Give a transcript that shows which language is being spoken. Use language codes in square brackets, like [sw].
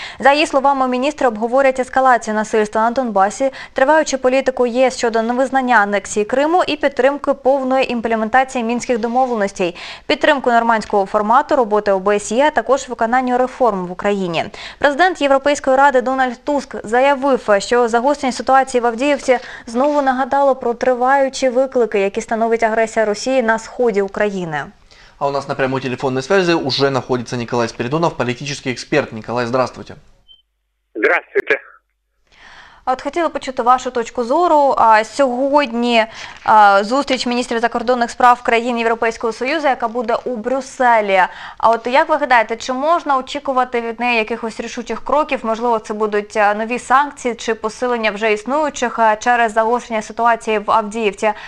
[uk] За її словами, міністри обговорять ескалацію насильства на Донбасі, триваючу політику ЄС щодо невизнання анексії Криму і підтримки повної імплементації мінських домовленостей, підтримку нормандського формату роботи ОБСЄ, а також виконання реформ в Україні. Президент Європейської ради Дональд Туск заявив, що загострення ситуації в Авдіївці знову нагадало про триваючі виклики, які становить агресія Росії на сході України. [ru] А у нас на прямой телефонной связи уже находится Николай Спиридонов, политический эксперт. Николай, здравствуйте. Здравствуйте. [uk] От хотіла почути вашу точку зору. А сьогодні зустріч міністрів закордонних справ країн Європейського Союзу, яка буде у Брюсселі. А от як ви гадаєте, чи можна очікувати від неї якихось рішучих кроків? Можливо, це будуть нові санкції чи посилення вже існуючих через загострення ситуації в Авдіївці?